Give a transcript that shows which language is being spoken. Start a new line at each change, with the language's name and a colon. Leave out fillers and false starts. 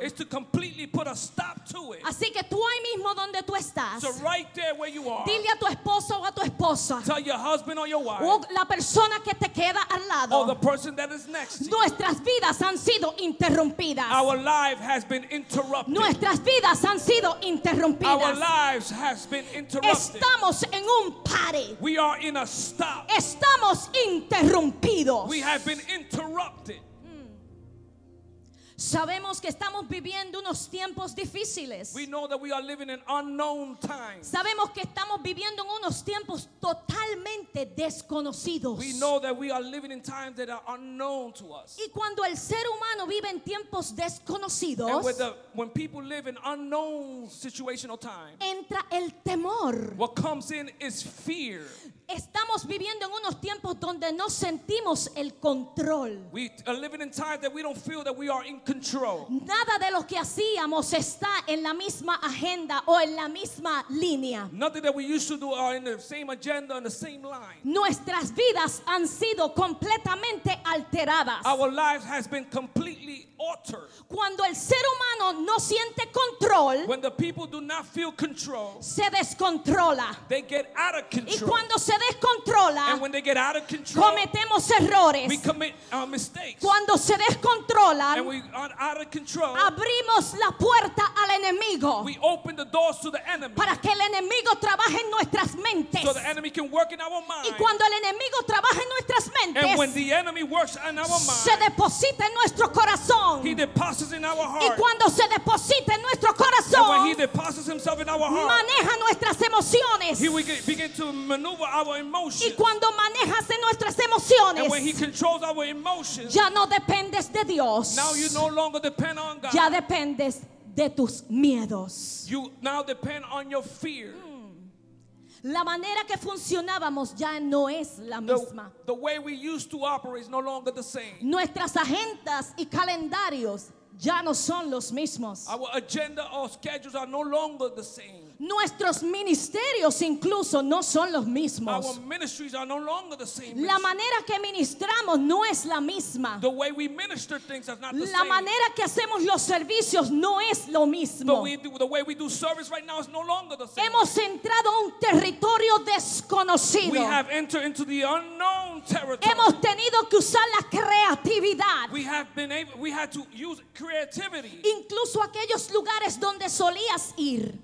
English: It's to completely put a stop to it.
Spanish: Así que tú ahí mismo donde tú estás,
English: so right there where you are,
Spanish: dile a tu esposo o a tu esposa,
English: tell your husband or your wife,
Spanish: o la persona que te queda al lado,
English: or the person that is next to you.
Spanish: Nuestras vidas han sido interrumpidas.
English: Our life has been interrupted.
Spanish: Nuestras vidas han sido interrumpidas.
English: Our lives has been interrupted.
Spanish: Estamos en un pare.
English: We are in a stop.
Spanish: Estamos interrumpidos.
English: We have been interrupted.
Spanish: Sabemos que estamos viviendo unos tiempos difíciles.
English: We know that we are living in unknown times.
Spanish: Sabemos que estamos viviendo en unos tiempos totalmente desconocidos.
English: We know that we are living in times that are unknown to us.
Spanish: Y cuando el ser humano vive en tiempos desconocidos,
English: and when people live in unknown situational times,
Spanish: entra el temor.
English: What comes in is fear.
Spanish: Estamos viviendo en unos tiempos donde no sentimos el control.
English: We are living in times that we don't feel that we are in control.
Spanish: Nada de lo que hacíamos está en la misma agenda o en la misma línea.
English: Nothing that we used to do are in the same agenda, in the same line.
Spanish: Nuestras vidas han sido completamente alteradas.
English: Our lives has been completely altered.
Spanish: Cuando el ser humano no siente control,
English: when the people do not feel control,
Spanish: se descontrola.
English: They get out of control.
Spanish: Y cuando se descontrola,
English: and when they get out of control,
Spanish: cometemos errores.
English: We commit our mistakes.
Spanish: Cuando se descontrola,
English: and we are out of control,
Spanish: abrimos la puerta al enemigo.
English: We open the doors to the enemy.
Spanish: Para que el enemigo trabaje en nuestras mentes.
English: So the enemy can work in our mind.
Spanish: Y cuando el enemigo trabaja en nuestras mentes,
English: and when the enemy works in our mind,
Spanish: se deposita en nuestro corazón.
English: He deposits in our heart.
Spanish: Y cuando se deposita en nuestro corazón,
English: and when he deposits himself in our heart,
Spanish: maneja nuestras emociones.
English: He will begin to maneuver our emotions.
Spanish: Y cuando manejas de nuestras emociones,
English: and when he controls our emotions,
Spanish: ya no dependes de Dios.
English: Now you no longer depend on God.
Spanish: Ya dependes de tus miedos.
English: You now depend on your fear.
Spanish: La manera que funcionábamos ya no es la misma.
English: The way we used to operate is no longer the same.
Spanish: Nuestras agendas y calendarios ya no son los mismos.
English: Our agenda or schedules are no longer the same.
Spanish: Nuestros ministerios incluso no son los mismos.
English: Our ministries are no longer the same.
Spanish: La manera que ministramos no es la misma.
English: The way we minister things is not the
Spanish: la
English: same.
Spanish: Manera que hacemos los servicios no es lo mismo.
English: The way we do service right now is no longer the same.
Spanish: Hemos entrado a un territorio desconocido.
English: We have entered into the unknown territory.
Spanish: Hemos tenido que usar la creatividad.
English: We have been able, we had to use creativity.
Spanish: Incluso aquellos lugares donde solías ir.